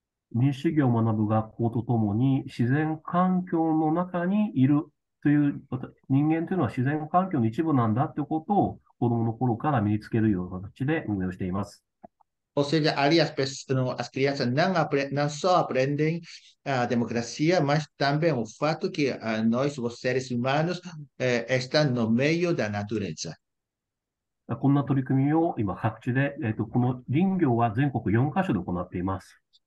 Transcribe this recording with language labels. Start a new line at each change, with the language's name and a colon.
Japanese: 民主主義を学ぶ学校とともに、自然環境の中にいるという、人間というのは自然環境の一部なんだということを子供の頃から身につけるような形で運用しています。
Portuguese: Ou seja, ali as crianças não só aprendem a democracia, mas também o fato que nós, os seres humanos, estamos no meio da natureza.
Japanese: こんな取り組みを今各地で、この林業は全国4カ所で行っています。